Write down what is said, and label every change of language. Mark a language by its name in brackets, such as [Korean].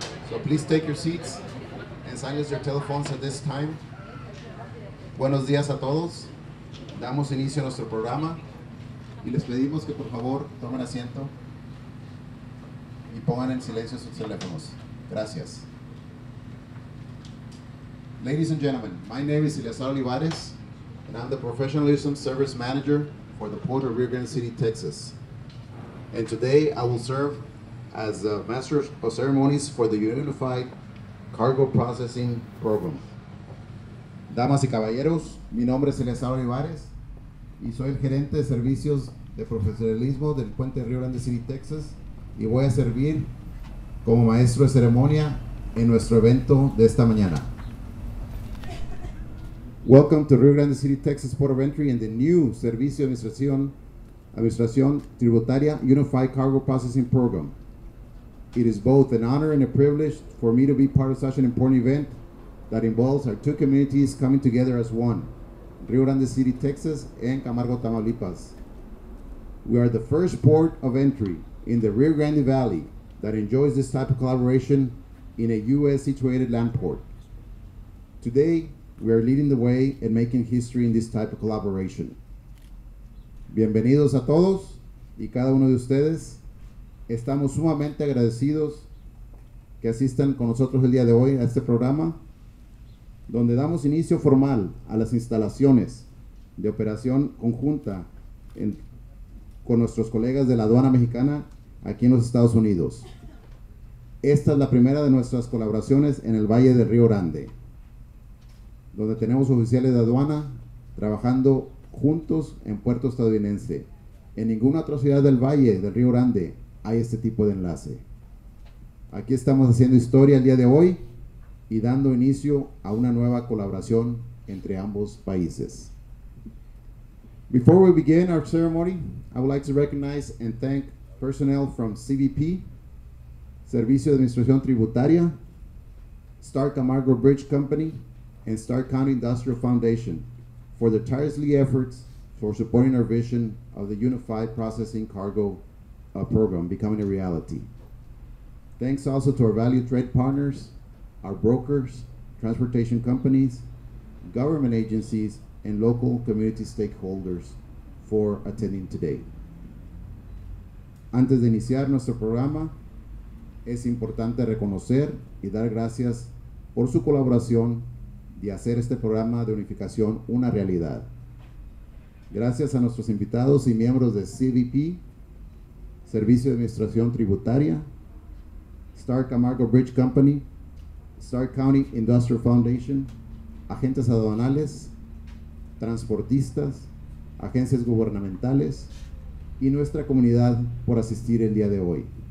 [English] So please take your seats and silence your telephones at this time. [Spanish] Buenos días a todos. Damos inicio a nuestro programa y les pedimos que por favor tomen asiento y pongan en silencio sus teléfonos. Gracias. [English] Ladies and gentlemen, my name is Eliazar Olivares, and I'm the Professionalism Service Manager for the Port of Rio Grande City, Texas. And today I will serve as the Master of Ceremonies for the Unified Cargo Processing Program. [Spanish] Damas y caballeros, mi nombre es Eliazar Olivares y soy el gerente de servicios de profesionalismo del puente de Rio Grande City, Texas, y voy a servir como maestro de ceremonia en nuestro evento de esta mañana. [English] Welcome to Rio Grande City, Texas Port of Entry and the new Servicio Administración Tributaria Unified Cargo Processing Program. It is both an honor and a privilege for me to be part of such an important event that involves our two communities coming together as one, Rio Grande City, Texas and Camargo, Tamaulipas. We are the first port of entry in the Rio Grande Valley that enjoys this type of collaboration in a U.S. situated land port. Today, we are leading the way and making history in this type of collaboration. [Spanish] Bienvenidos a todos y cada uno de ustedes. Estamos sumamente agradecidos que asistan con nosotros el día de hoy a este programa, donde damos inicio formal a las instalaciones de operación conjunta con nuestros colegas de la aduana mexicana aquí en los Estados Unidos. Esta es la primera de nuestras colaboraciones en el Valle del Río Grande, donde tenemos oficiales de aduana trabajando juntos en puerto estadounidense. En ninguna otra ciudad del Valle del Río Grande hay este tipo de enlace. Aquí estamos haciendo historia el día de hoy y dando inicio a una nueva colaboración entre ambos países. [English] Before we begin our ceremony, I would like to recognize and thank personnel from CBP, Servicio de Administración Tributaria, Star Camargo Bridge Company, and Stark County Industrial Foundation for their tirelessly efforts for supporting our vision of the Unified Processing Cargo Program becoming a reality. Thanks also to our valued trade partners, our brokers, transportation companies, government agencies, and local community stakeholders for attending today. [Spanish] Antes de iniciar nuestro programa, es importante reconocer y dar gracias por su colaboración y hacer este programa de unificación una realidad. Gracias a nuestros invitados y miembros de CBP, Servicio de Administración Tributaria, Star Camargo Bridge Company, Star County Industrial Foundation, agentes aduanales, transportistas, agencias gubernamentales y nuestra comunidad por asistir el día de hoy.